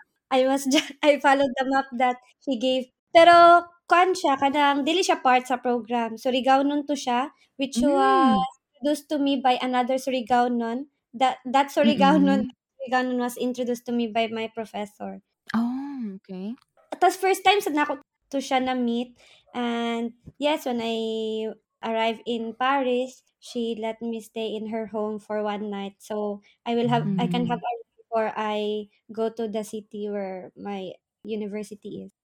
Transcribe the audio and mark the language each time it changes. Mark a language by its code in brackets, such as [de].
[en] I followed the map that he gave. [ceb] Pero, kwan siya, kanang dili siya part sa program. [en] Surigao nun to siya, which was introduced to me by another Surigao nun. That Surigao nun was introduced to me by my professor. Oh, okay. [ceb] Tapos first time sa nako to siya na meet. [en] And yes, when I arrived in Paris, she let me stay in her home for one night. So I will have, I can have a room before I go to the city where my university is.